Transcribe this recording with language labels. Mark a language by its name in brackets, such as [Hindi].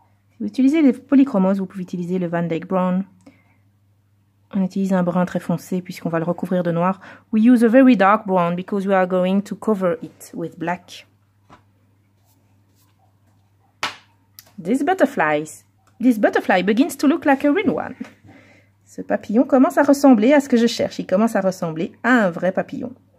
[French] Si vous utilisez les polychromos, vous pouvez utiliser le Van Dyck brown. On utilise un brun très foncé puisqu'on va le recouvrir de noir. [English] We use a very dark brown because we are going to cover it with black. This butterfly begins to look like a real one. [French] Ce papillon commence à ressembler à ce que je cherche. Il commence à ressembler à un vrai papillon.